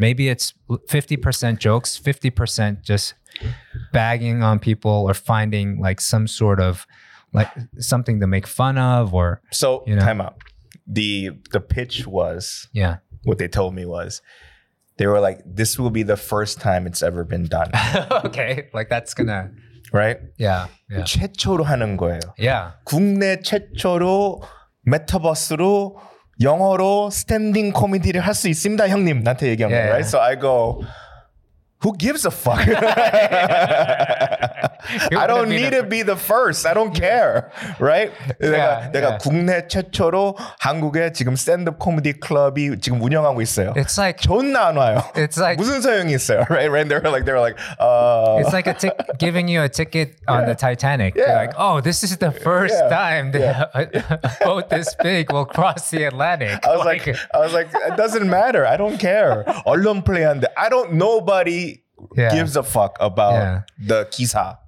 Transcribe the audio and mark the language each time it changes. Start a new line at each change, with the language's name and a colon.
English: Maybe it's 50% jokes, 50% just bagging on people or finding like some sort of like something to make fun of or, so, you know. Time out. The pitch was, what they told me was, they were like, this will be the first time it's ever been done. Okay, like that's gonna... Right? Yeah.
Korean: 최초로 하는 거예요.
English: Yeah.
Korean: 국내 최초로 메타버스로 영어로 스탠딩 코미디를 할 수 있습니다, 형님. 나한테 얘기한 거예요.
English: Right? So I go, who gives a fuck? I don't need to be the first. I don't care. Right?
Korean: Yeah, 내가 국내 최초로 한국에 지금 스탠드업 코미디 클럽이 지금 운영하고 있어요.
English: It's like,
Korean: 존나 안 와요.
English: It's like,
Korean: 무슨 소용이 있어요?
English: Right? Right? They were like, it's like giving you a ticket on the Titanic. Yeah. They're like, oh, this is the first time the boat this big will cross the Atlantic. I was like, it doesn't matter. I don't care.
Korean: 얼른 플레이한데.
English: Nobody gives a fuck about the 기사.